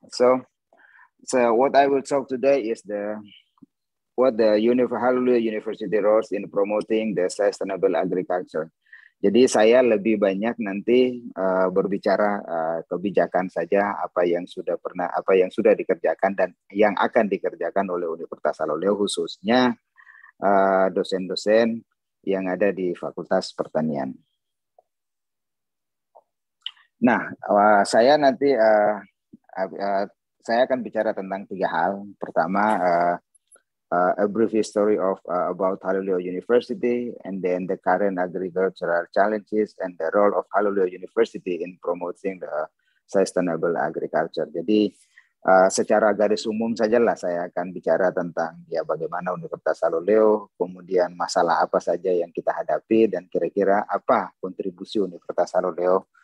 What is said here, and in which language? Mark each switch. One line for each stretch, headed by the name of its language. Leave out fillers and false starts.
English: So what I will talk today is what the Halu University roles in promoting the sustainable agriculture.
Indonesian: Jadi saya lebih banyak nanti berbicara kebijakan saja, apa yang sudah dikerjakan dan yang akan dikerjakan oleh Universitas Halu khususnya dosen-dosen yang ada di Fakultas Pertanian. Nah, saya nanti saya akan bicara tentang 3 hal. Pertama,
English: a brief history of about Halu University, and then the current agricultural challenges and the role of Halu University in promoting the sustainable agriculture.
Indonesian: Jadi secara garis umum sajalah saya akan bicara tentang ya bagaimana Universitas Halu, kemudian masalah apa saja yang kita hadapi, dan kira-kira apa kontribusi Universitas Halu